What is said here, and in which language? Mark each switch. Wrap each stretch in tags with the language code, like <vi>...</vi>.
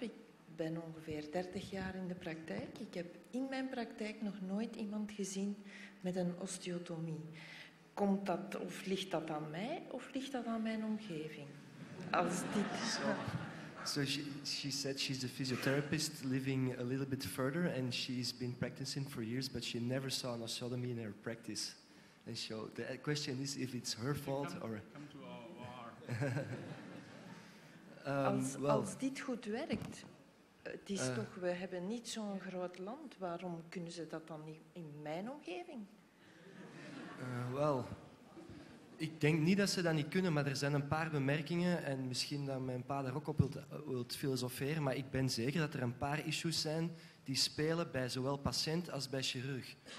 <nl>Ik ben ongeveer 30 jaar in de praktijk. Ik heb in mijn praktijk nog nooit iemand gezien met een osteotomie. Komt dat of ligt dat aan mij of ligt dat aan mijn omgeving? Als dit.</nl> <en>So she said she's a physiotherapist living a little bit further and she's been practicing for years, but she never saw an osteotomy in her practice. And so the question is if it's her fault or.</en> <nl>als dit goed werkt, het is toch, we hebben niet zo'n groot land, waarom kunnen ze dat dan niet in mijn omgeving? Wel, ik denk niet dat ze dat niet kunnen, maar er zijn een paar bemerkingen en misschien dat mijn pa daar ook op wilt filosoferen, maar ik ben zeker dat er een paar issues zijn die spelen bij zowel patiënt als bij chirurg.</nl>